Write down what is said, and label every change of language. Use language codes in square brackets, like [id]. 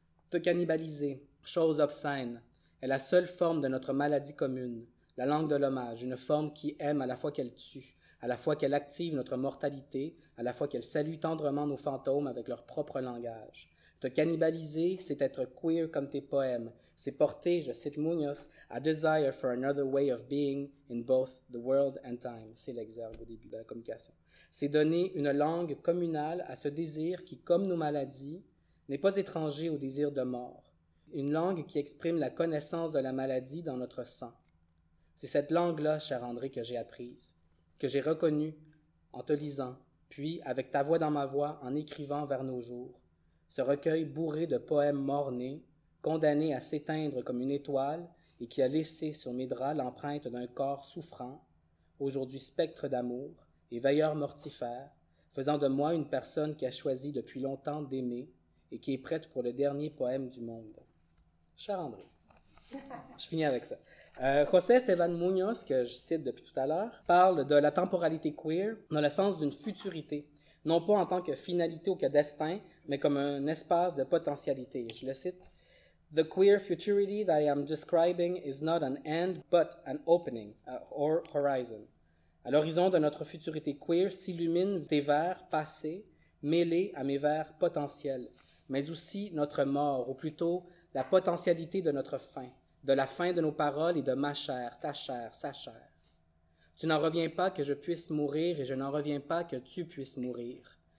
[fr] Te cannibaliser, chose obscène, est la seule forme de notre maladie commune, la langue de l'hommage, une forme qui aime à la fois qu'elle tue, à la fois qu'elle active notre mortalité, à la fois qu'elle salue tendrement nos fantômes avec leur propre langage. Te cannibaliser, c'est être queer comme tes poèmes. C'est porter, je cite Munoz, [en] a desire for another way of being in both the world and time. [fr] C'est l'exergue au début de la communication. C'est donner une langue communale à ce désir qui, comme nos maladies, n'est pas étranger au désir de mort. Une langue qui exprime la connaissance de la maladie dans notre sang. C'est cette langue-là, cher André, que j'ai apprise, que j'ai reconnue en te lisant, puis avec ta voix dans ma voix, en écrivant vers nos jours. Ce recueil bourré de poèmes morts-nés, condamnés à s'éteindre comme une étoile et qui a laissé sur mes draps l'empreinte d'un corps souffrant, aujourd'hui spectre d'amour et veilleur mortifère, faisant de moi une personne qui a choisi depuis longtemps d'aimer et qui est prête pour le dernier poème du monde. Cher André, je finis avec ça. José Esteban Muñoz, que je cite depuis tout à l'heure, parle de la temporalité queer dans le sens d'une futurité, non pas en tant que finalité ou que destin, mais comme un espace de potentialité. Je le cite. [en] The queer futurity that I am describing is not an end, but an opening, or horizon. [fr] À l'horizon de notre futurité queer s'illuminent des vers passés mêlés à mes vers potentiels, mais aussi notre mort, ou plutôt la potentialité de notre fin, de la fin de nos paroles et de ma chair, ta chair, sa chair. Tu n'en reviens pas que je puisse mourir et je n'en reviens pas que tu puisses mourir.